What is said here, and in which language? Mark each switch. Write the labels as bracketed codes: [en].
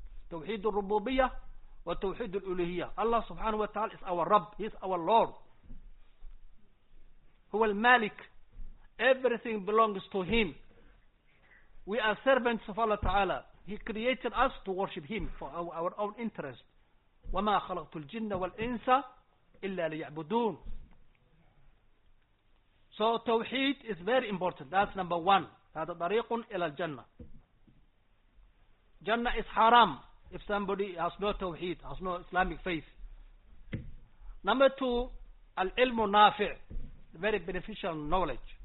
[en] Tawheed al-Rububiyyah. [ar] وتوحيد الألوهية. [en] Allah subhanahu wa ta'ala is our Rabb. He is our Lord. [ar] هو المالك. [en] Everything belongs to Him. We are servants of Allah ta'ala. He created us to worship Him for our own interest. [ar] وما خلقت الجن والإنس إلا ليعبدون. [en] So توحيد is very important. That's number one. [ar] هذا طريق إلى الجنة. [en] جنة is haram. If somebody has no tawheed, has no Islamic faith. Number two, al-ilmu nafi', very beneficial knowledge.